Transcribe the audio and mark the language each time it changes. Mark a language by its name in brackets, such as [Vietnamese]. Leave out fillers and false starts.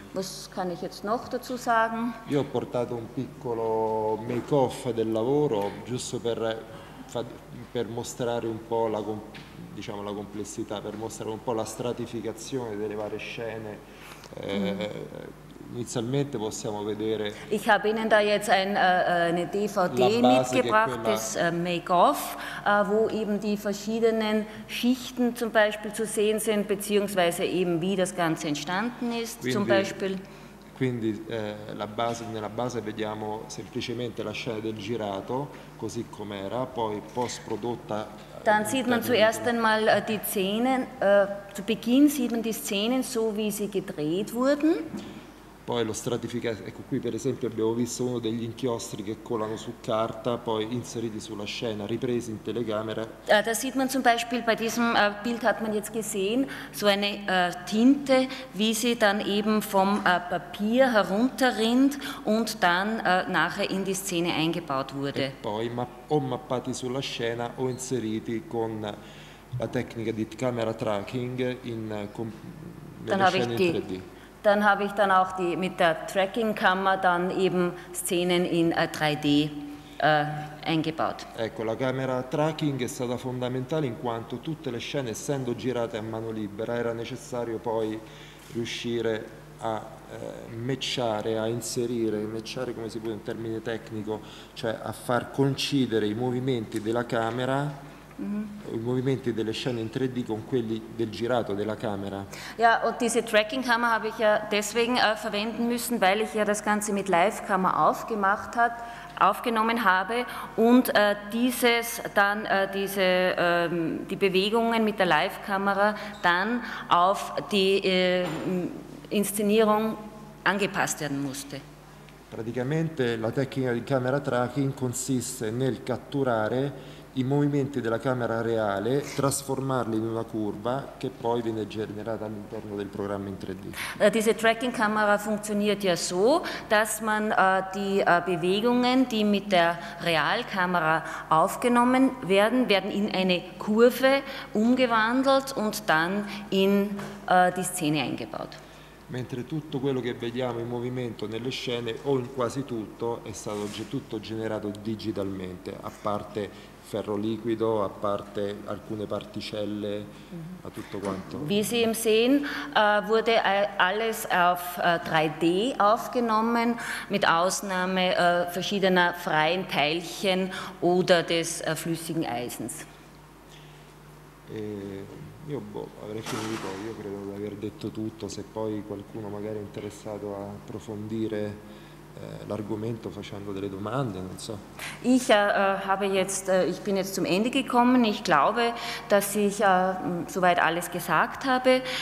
[German] Was kann ich jetzt noch dazu sagen? [Italian] Io ho portato un piccolo make-off del lavoro, giusto per mostrare un po' la complessità, per mostrare un po' la stratificazione delle varie scene. Inizialmente possiamo vedere. [German] Ich habe Ihnen da jetzt eine DVD mitgebracht, das Make-off, wo eben die verschiedenen Schichten zum Beispiel zu sehen sind, beziehungsweise eben wie das Ganze entstanden ist, zum Beispiel. [Italian] Quindi nella base vediamo semplicemente la scena del girato, così com'era, poi post-prodotta. [German] Dann sieht man zuerst einmal die Szenen, zu Beginn sieht man die Szenen so, wie sie gedreht wurden. [Italian] Poi lo stratificato, ecco qui per esempio abbiamo visto uno degli inchiostri che colano su carta, poi inseriti sulla scena, ripresi in telecamera. [German] Da sieht man zum Beispiel, bei diesem Bild hat man jetzt gesehen, so eine Tinte, wie sie dann eben vom Papier herunterrinnt und dann nachher in die Szene eingebaut wurde. [Italian] E poi o mappati sulla scena o inseriti con la tecnica di camera tracking nelle scene in 3D. [German] Dann habe ich dann auch die mit der Tracking-Kammer dann eben Szenen in 3D eingebaut. [Italian] Ecco, la camera tracking è stata fondamentale in quanto tutte le scene, essendo girate a mano libera, era necessario poi riuscire a matchare, a inserire, matchare come si può in termine tecnico, cioè a far coincidere i movimenti della camera. Mm-hmm. I movimenti delle scene in 3D con quelli del girato della camera. [German] Ja, und diese Tracking-Kammer habe ich ja deswegen verwenden müssen, weil ich ja das Ganze mit Live-Kammer aufgenommen habe und die Bewegungen mit der Live-Kamera dann auf die Inszenierung angepasst werden musste. [Italian] Praticamente la tecnica di camera tracking consiste nel catturare i movimenti della camera reale, trasformarli in una curva che poi viene generata all'interno del programma in 3D. [German] Diese Tracking-Kamera funktioniert ja so, dass man die Bewegungen, die mit der Realkamera aufgenommen werden, werden in eine Kurve umgewandelt und dann in die Szene eingebaut. [Italian] Mentre tutto quello che vediamo in movimento nelle scene, o in quasi tutto, è stato tutto generato digitalmente, a parte ferro liquido, a parte alcune particelle, a tutto quanto. [German] Wie Sie eben sehen, wurde alles auf 3D aufgenommen, mit Ausnahme verschiedener freien Teilchen oder des flüssigen Eisens. [Italian] Avrei finito, io credo di aver detto tutto, se poi qualcuno magari è interessato a approfondire l'argomento facendo delle domande, non so. [German] Ich bin jetzt zum Ende gekommen. Ich glaube, dass ich soweit alles gesagt habe.